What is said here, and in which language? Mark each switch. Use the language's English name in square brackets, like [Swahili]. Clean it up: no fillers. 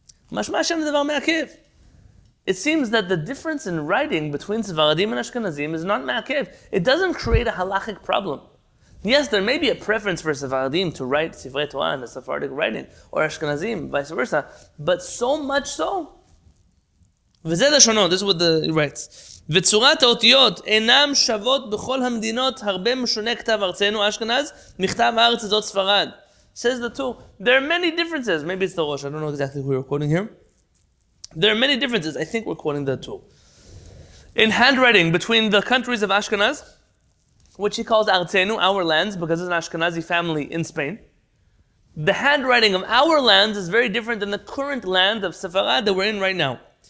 [Hebrew] משמע שם דבר מעכב. [English] It seems that the difference in writing between Sfaradim and Ashkenazim is not ma'akev. It doesn't create a halachic problem. Yes, there may be a preference for Sfaradim to write Sifrei Torah in the Sephardic writing, or Ashkenazim, vice versa, but so much so. [Hebrew] וזה לשונו, [English] this is what the writes. [Hebrew] וצורת האותיות אינם שוות בכל המדינות הרבה משונה כתב ארצנו אשכנז, מכתב הארץ הזאת ספרד. [English] Says the Torah. There are many differences. Maybe it's the Rosh, I don't know exactly who you're quoting here. There are many differences, I think we're quoting that too, in handwriting between the countries of Ashkenaz, which he calls Arzenu, our lands, because it's an Ashkenazi family in Spain. The handwriting of our lands is very different than the current land of Sefarad that we're in right now.